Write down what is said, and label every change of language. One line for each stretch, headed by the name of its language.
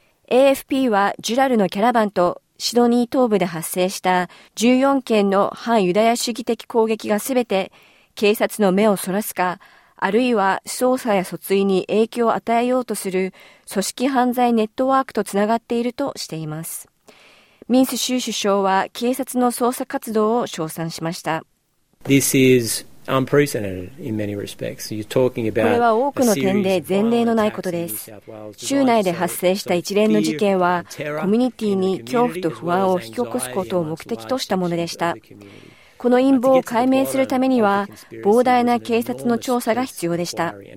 Japanese: AFP は、ジュラルのキャラバンと、シドニー東部で発生した14件の反ユダヤ主義的攻撃がすべて警察の目をそらすか、あるいは捜査や訴追に影響を与えようとする組織犯罪ネットワークとつながっているとしています。ミンス州首相は警察の捜査活動を称賛しました。
English: This is unprecedented in many respects. You're talking about
Japanese: これは多くの点で前例のないことです。州内で発生した一連の事件は、コミュニティに恐怖と不安を引き起こすことを目的としたものでした。この陰謀を解明するためには、膨大な警察の調査が必要でした。